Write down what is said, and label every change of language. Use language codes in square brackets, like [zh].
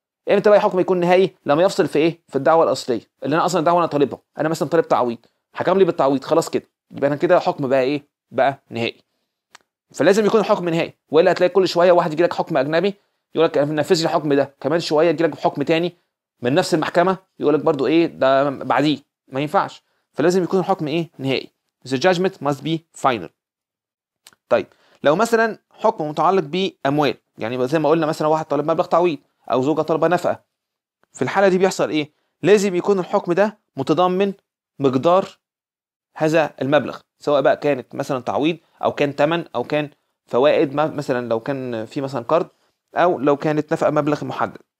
[ar] امتى بقى الحكم يكون نهائي؟ لما يفصل في ايه في الدعوه الاصليه اللي انا اصلا الدعوه انا طالبها، انا مثلا طالب تعويض حكم لي بالتعويض خلاص كده، يبقى انا كده الحكم بقى ايه بقى نهائي. فلازم يكون الحكم نهائي، والا هتلاقي كل شويه واحد يجي لك حكم اجنبي يقول لك انا منفذ الحكم ده، كمان شويه يجي لك حكم تاني من نفس المحكمه يقول لك برده ايه ده بعديه، ما ينفعش. فلازم يكون الحكم ايه نهائي، [en] the judgment must be final. [ar] طيب لو مثلا حكم متعلق باموال، يعني زي ما قلنا مثلا واحد طالب مبلغ تعويض او زوجه طالبه نفقه، في الحاله دي بيحصل ايه؟ لازم يكون الحكم ده متضمن مقدار هذا المبلغ، سواء بقى كانت مثلا تعويض او كان تمن او كان فوائد، مثلا لو كان في مثلا قرض او لو كانت نفقه مبلغ محدد.